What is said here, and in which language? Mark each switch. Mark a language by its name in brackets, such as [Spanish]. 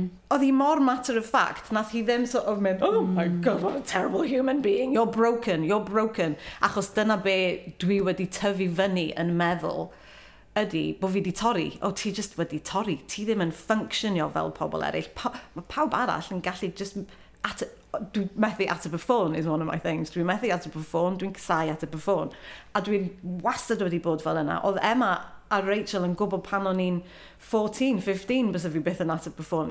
[Welsh] Oedd hi mor [English] matter of fact, [Welsh] nath hi ddim sort of mynd, [English] oh my god, what a terrible human being. You're broken. [Welsh] Achos dyna be dwi wedi tyfu fyny yn meddwl, ydy bod fi wedi torri. Oh, ti just wedi torri. Ti ddim yn ffynctionio fel pobl eraill. Mae pawb arall yn gallu just... Dwi'n methu ateb y ffôn [English] is one of my things. [Welsh] Dwi'n methu ateb y ffôn, dwi'n casau ateb y ffôn. A dwi'n wastad wedi bod fel yna. Oedd Emma a Rachel yn gwybod pan o'n i'n 14, 15, bys o fi byth yn ateb y ffôn.